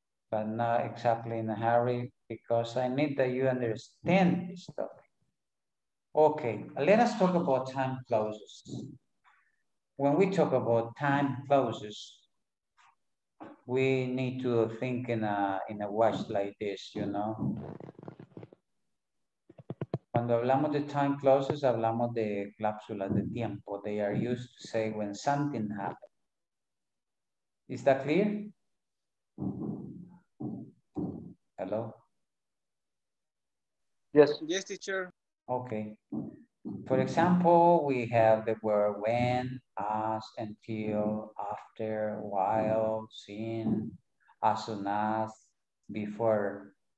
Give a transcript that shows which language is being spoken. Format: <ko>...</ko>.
<en>But not exactly in a hurry because I need that you understand this topic. Okay, let us talk about time clauses. When we talk about time clauses, we need to think in a watch like this, you know.</en> <es>Cuando hablamos de time clauses, hablamos de cláusulas de tiempo.</es> <en>They are used to say when something happens. Is that clear? Hello? Yes. Yes, teacher. Okay. For example, we have the word when, as, until, after, while, since, as soon as, before.</en>